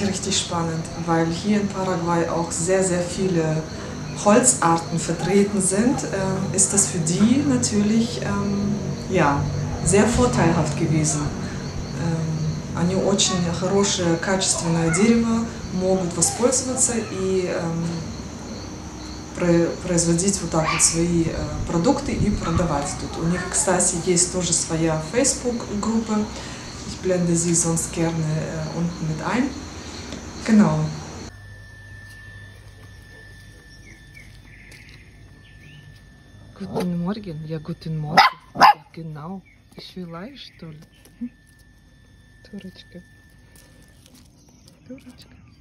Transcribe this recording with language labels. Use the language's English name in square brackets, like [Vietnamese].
[German] Spannend, weil hier in Paraguay auch sehr, sehr viele Holzarten vertreten sind, ist das für die natürlich ja, sehr vorteilhaft gewesen. [Russian] Они очень хорошее качественное дерево могут воспользоваться и производить вот так вот свои продукты и продавать тут. У них, кстати, есть тоже своя Facebook-Gruppe. [German] Ich blende sie sonst gerne unten mit ein. Genau. Guten Morgen, ja guten Morgen. Ja, genau. Ich will Eis, Tolle. Turetschke. Turetschke.